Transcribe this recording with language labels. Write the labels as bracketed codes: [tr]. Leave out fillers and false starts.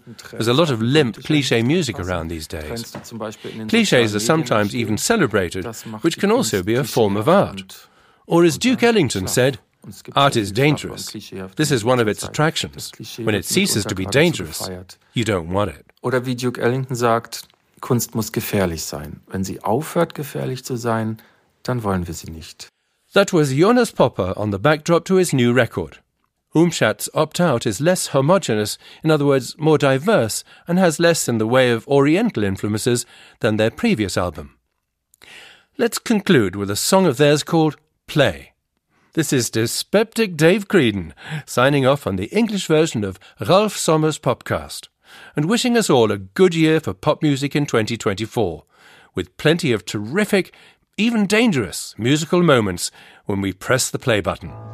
[en] There's a lot of limp cliché music around these days. Clichés are sometimes even celebrated, which can also be a form of art. Or as Duke Ellington said, art is dangerous. This is one of its attractions. When it ceases to be dangerous, you don't want it. [de] Oder wie Duke Ellington sagt, Kunst muss gefährlich sein. Wenn sie aufhört, gefährlich zu sein, dann wollen wir sie nicht. [en] That was Jonas Popper on the backdrop to his new record. Umschat's Opt Out is less homogenous, in other words, more diverse, and has less in the way of Oriental influences than their previous album. Let's conclude with a song of theirs called Play. This is dyspeptic Dave Creedon signing off on the English version of Ralph Sommer's Popcast and wishing us all a good year for pop music in 2024, with plenty of terrific, even dangerous musical moments when we press the play button.